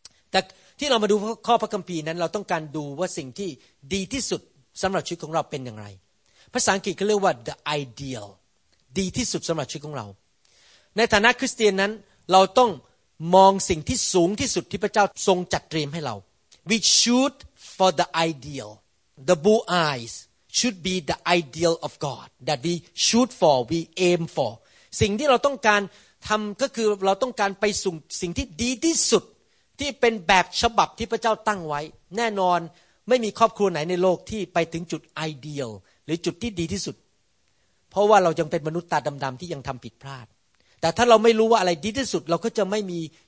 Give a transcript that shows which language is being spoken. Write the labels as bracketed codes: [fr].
[th] แต่ที่เรามาดูข้อพระคัมภีร์นั้นเราต้องการดูว่าสิ่งที่ดีที่สุดสำหรับชีวิตของเราเป็นอย่างไรภาษาอังกฤษเขาเรียกว่า the ideal ดีที่สุดสำหรับชีวิตของเราในฐานะคริสเตียนนั้นเราต้องมองสิ่งที่สูงที่สุดที่พระเจ้าทรงจัดเตรียมให้เรา [en] We shoot for the ideal. The blue eyes should be the ideal of God that we shoot for, we aim for. [th] สิ่งที่เราต้องการทำก็คือเราต้องการไปสู่สิ่งที่ดีที่สุดที่เป็นแบบฉบับที่พระเจ้าตั้งไว้แน่นอนไม่มีครอบครัวไหนในโลกที่ไปถึงจุด ideal หรือจุดที่ดีที่สุดเพราะว่าเรายังเป็นมนุษย์ตาดำๆที่ยังทำผิดพลาดแต่ถ้าเราไม่รู้ว่าอะไรดีที่สุดเราก็จะไม่มี